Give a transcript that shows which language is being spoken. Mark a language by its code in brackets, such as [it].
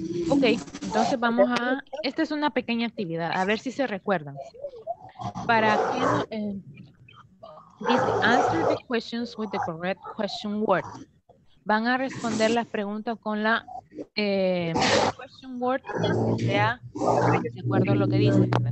[es] Ok, entonces vamos a, esta es una pequeña actividad, a ver si se recuerdan. Para que, dice, [en] answer the questions with the correct question word. [es] Van a responder las preguntas con la question word, sea de acuerdo a lo que dice.